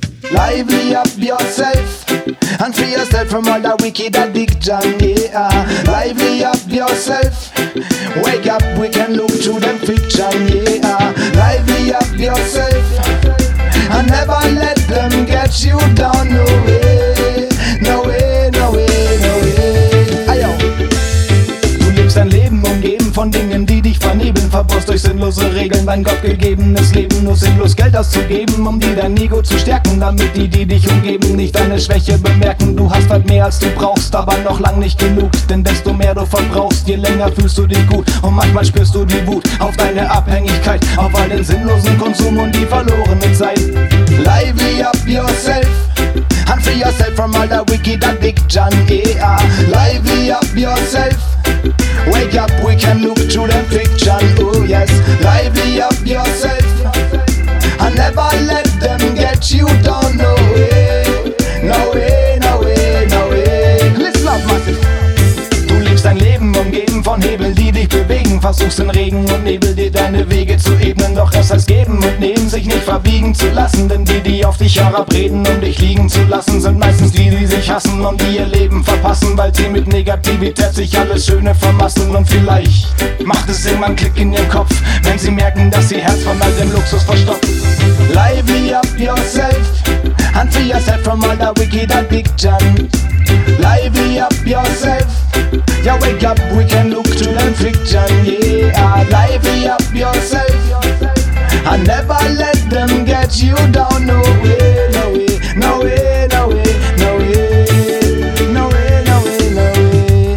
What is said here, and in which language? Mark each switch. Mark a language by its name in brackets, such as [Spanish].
[English] Lively up yourself and free yourself from all that wicked addiction, yeah. Lively up yourself, wake up, we can look to them fiction, yeah. Lively up yourself and never let them get you down, no way. No way, no way, no way. Ayo. [German] Du lebst dein Leben umgeben von Dingen, die dich vernebeln. Verpasst durch sinnlose Regeln dein gottgegebenes Leben. Nur sinnlos Geld auszugeben, um dir dein Ego zu stärken. Damit die, die dich umgeben, nicht deine Schwäche bemerken. Du hast halt mehr als du brauchst, aber noch lang nicht genug. Denn desto mehr du verbrauchst, je länger fühlst du dich gut. Und manchmal spürst du die Wut auf deine Abhängigkeit, auf all den sinnlosen Konsum und die verlorene Zeit. [English] Lively up yourself and free yourself from all that wicked addiction, yeah. Lively up yourself, wake up, we can look to them fiction, oh yes. Lively up yourself and never let them get you down, no way. No way, no way, no way. Listen up, Massive. [German] Du lebst dein Leben umgeben von Hebeln, die dich bewegen. Versuchst in Regen und Nebel dir deine Wege zu ebnen. Doch erst als Geben und Nehmen sich nicht verbiegen zu lassen. Denn die, die auf dich herabreden, um dich liegen zu lassen, sind meistens die, die sich hassen und die ihr Leben verpassen, weil sie mit Negativität sich alles Schöne vermassen. Und vielleicht macht es irgendwann Klick in ihrem Kopf, wenn sie merken, dass ihr Herz von all dem Luxus verstopft. [English] Lively up yourself and free yourself from all that wicked addiction. Lively up yourself, yeah, wake up, we can look to them fiction, yeah. Lively up yourself and never let them get you down, no way, no way, no way, no way, no way, no way, no way, no way.